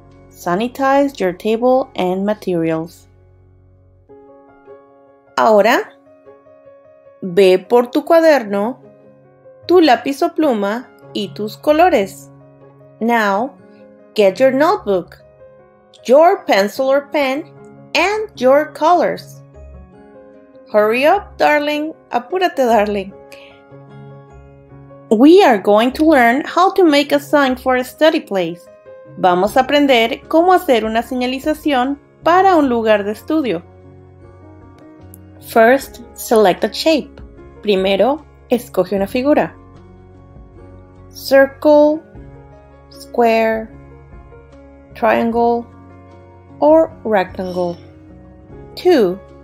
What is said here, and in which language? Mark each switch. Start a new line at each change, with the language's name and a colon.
English: Sanitize your table and materials.
Spanish: Ahora, ve por tu cuaderno, tu lápiz o pluma y tus colores.
English: Now, get your notebook, your pencil or pen, and your colors. Hurry up, darling.
Spanish: Apúrate, darling.
English: We are going to learn how to make a sign for a study place.
Spanish: Vamos a aprender cómo hacer una señalización para un lugar de estudio.
English: First, select a shape.
Spanish: Primero, escoge una figura.
English: Circle, square, triangle, or rectangle. 2.